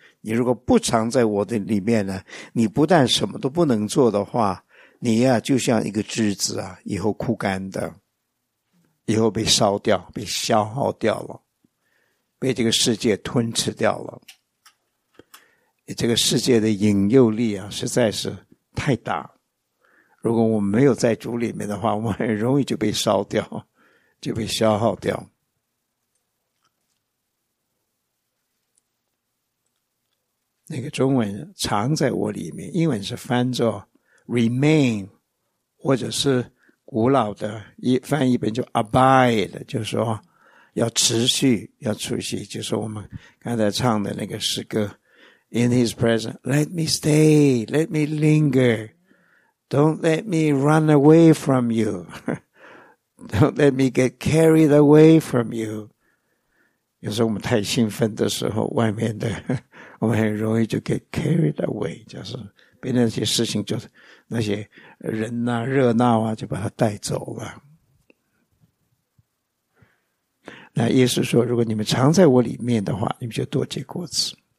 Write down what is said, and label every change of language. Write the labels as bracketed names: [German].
[Chinese] 你如果不藏在我的里面呢，你不但什么都不能做的话，你呀就像一个枝子啊，以后枯干的，以后被烧掉，被消耗掉了，被这个世界吞吃掉了。这个世界的引诱力啊实在是太大。如果我们没有在主里面的话，我们很容易就被烧掉，就被消耗掉。那个中文藏在我里面，英文是翻作 remain， 或者是古老的翻译本就 abide， 就是说要持续，要持续，就是我们刚才唱的那个诗歌 [English] In his presence let me stay， let me linger， don't let me run away from you， don't let me get carried away from you。 [Chinese] 有时候我们太兴奋的时候，外面的我们很容易就 [English] get carried away， [Chinese] 就是被那些事情，就是那些人啊热闹啊，就把它带走了。那耶稣说，如果你们藏在我里面的话，你们就多结果子。